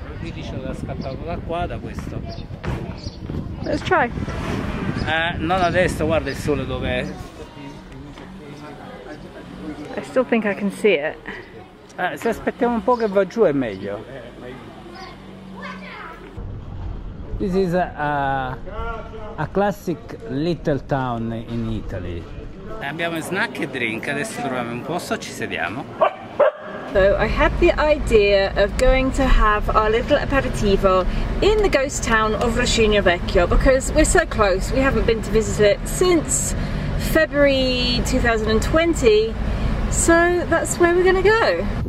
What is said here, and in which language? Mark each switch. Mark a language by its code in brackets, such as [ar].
[it] Lui dice che l'ha scattato da qua, da questo. [en] Let's try. [it] Non adesso, guarda il sole dov'è. [en] I still think I can see it. [it] Se aspettiamo un po' che va giù è meglio. [en] This is a classic little town in Italy. [it] Abbiamo snack e drink, adesso troviamo un posto, ci sediamo. [en] So I had the idea of going to have our little aperitivo in the ghost town of Roscigno Vecchio because we're so close, we haven't been to visit it since February 2020, so that's where we're going to go.